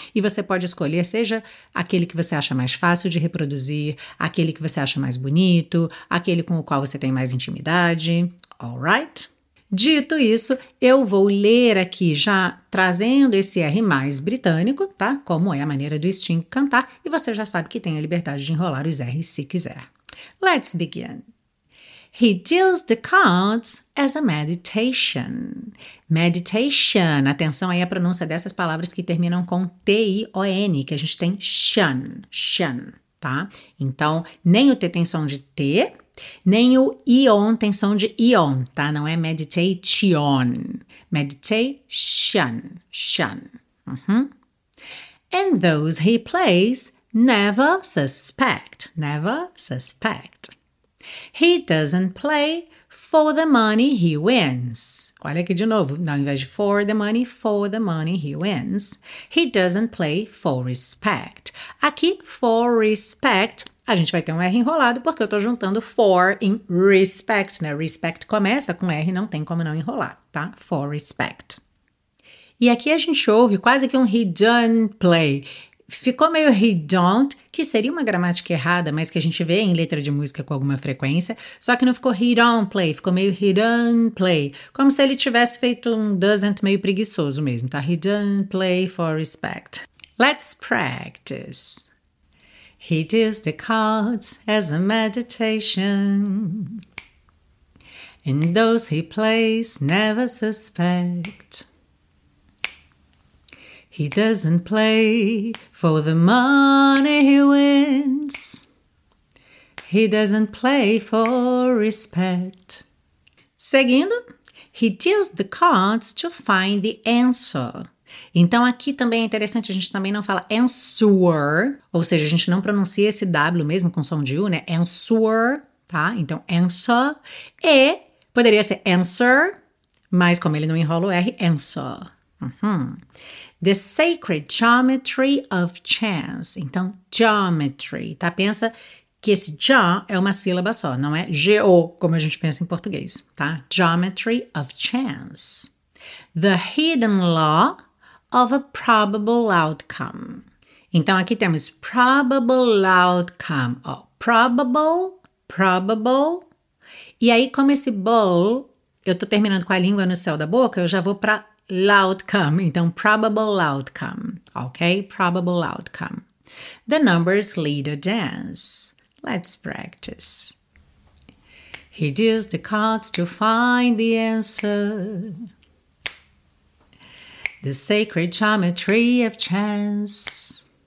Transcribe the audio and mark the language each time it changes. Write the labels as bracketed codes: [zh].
[pt] E você pode escolher, seja aquele que você acha mais fácil de reproduzir, aquele que você acha mais bonito, aquele com o qual você tem mais intimidade. [en] All right? [pt] Dito isso, eu vou ler aqui já trazendo esse R mais britânico, tá? Como é a maneira do Sting cantar. E você já sabe que tem a liberdade de enrolar os R's se quiser. [en] Let's begin. He deals the cards as a meditation. Meditation. [pt] Atenção aí à pronúncia dessas palavras que terminam com T-I-O-N, que a gente tem shun, shun, tá? Então, nem o T tem som de T, nem o ion tem som de ion, tá? Não é meditation. Meditation, shun. Uhum. [en] And those he plays never suspect, never suspect. He doesn't play for the money he wins. [pt] Olha aqui de novo, ao invés de [en] for the money he wins. He doesn't play for respect. [pt] Aqui, [en] for respect, [pt] a gente vai ter um R enrolado porque eu estou juntando for em respect, né? Respect começa com R, não tem como não enrolar, tá? [en] For respect. [pt] E aqui a gente ouve quase que um [en] he don't play. [pt] Ficou meio he don't, que seria uma gramática errada, mas que a gente vê em letra de música com alguma frequência, só que não ficou he don't play, ficou meio he don't play, como se ele tivesse feito um doesn't meio preguiçoso mesmo, tá? [en] He don't play for respect. Let's practice. He deals the cards as a meditation, and those he plays never suspect. He doesn't play for the money he wins. He doesn't play for respect. [pt] Seguindo, [en] he deals the cards to find the answer. [pt] Então, aqui também é interessante, a gente também não fala answer, ou seja, a gente não pronuncia esse W mesmo com som de U, né? Answer, tá? Então, answer. E poderia ser answer, mas como ele não enrola o R, answer. [en] The Sacred Geometry of Chance. [pt] Então, geometry, tá? Pensa que esse ja é uma sílaba só, não é geo, como a gente pensa em português, tá? [en] Geometry of Chance. The Hidden Law of a Probable Outcome. [pt] Então, aqui temos probable outcome, ó. Probable, probable. E aí, como esse bowl, eu tô terminando com a língua no céu da boca, eu já vou para outcome. Então, probable outcome, ok? Probable outcome. [en] The numbers lead a dance. Let's practice. Reduce the cards to find the answer. The sacred geometry of chance.